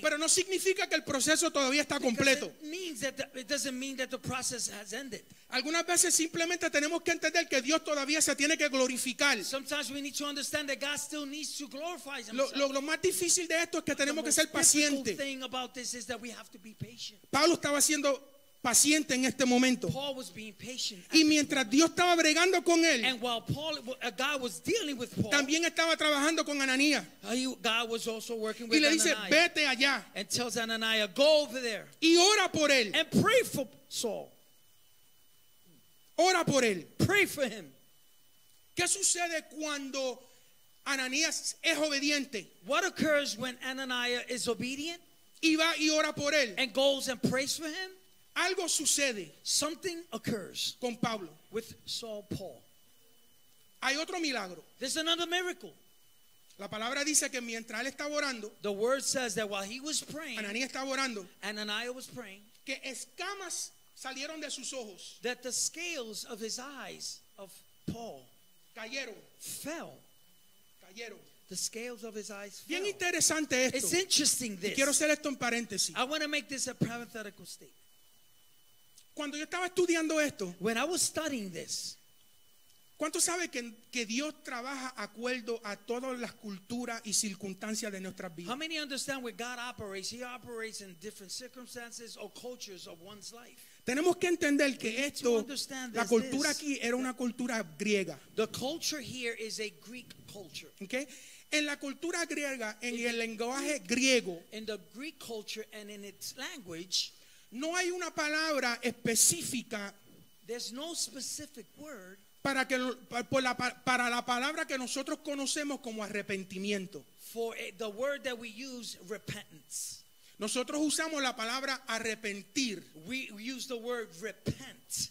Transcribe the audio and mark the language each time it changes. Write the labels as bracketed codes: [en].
[es] Pero no significa que el proceso todavía está completo. [en] Because it doesn't mean that the process has ended. [es] Algunas veces simplemente tenemos que entender que Dios todavía se tiene que glorificar. [en] Sometimes we need to understand that God still needs to glorify himself. [es] Lo más difícil de esto es que tenemos que ser pacientes. [en] The thing about this is that we have to be patient. [es] Pablo estaba siendo paciente en este momento. [en] Paul was being patient. [es] Y mientras Dios estaba bregando con él, [en] and while Paul, God was dealing with Paul, [es] también estaba trabajando con Ananías. [en] God was also working with [es] y le dice, [en] Ananias, [es] vete allá. [en] And tells Ananias, go over there. [es] Y ora por él. [en] And pray for Saul. [es] Ora por él. [en] Pray for him. [es] ¿Qué sucede cuando Ananías es obediente? [en] What occurs when Ananias is obedient? [es] Y va y ora por él. [en] And goes and prays for him? [es] Algo sucede. [en] Something occurs. [es] Con Pablo. [en] With Saul Paul. [es] Hay otro milagro. [en] There's another miracle. [es] La palabra dice que mientras él estaba orando. [en] The word says that while he was praying. [es] Ananías estaba orando. [en] Ananias was praying. [es] Que escamas salieron de sus ojos. [en] That the scales of his eyes of Paul [es] cayeron. [en] Fell. [es] Cayeron. [en] The scales of his eyes fell. [es] Bien interesante esto. [en] It's interesting this. [es] Y quiero hacer esto en paréntesis. [en] I want to make this a parenthetical statement. [es] Cuando yo estaba estudiando esto. [en] When I was studying this. [es] ¿Cuánto sabe que Dios trabaja acuerdo a todas las culturas y circunstancias de nuestras vidas? [en] How many understand where God operates? He operates in different circumstances or cultures of one's life. [es] Tenemos que entender que esto, la cultura aquí era una cultura griega. [en] The culture here is a Greek culture. Okay? [es] En la cultura griega, en el lenguaje griego, [en] in the Greek culture and in its language, [es] no hay una palabra específica. [en] There's no specific word. [es] Para la palabra que nosotros conocemos como arrepentimiento. [en] For the word that we use, repentance. [es] Nosotros usamos la palabra arrepentir. [en] We use the word repent.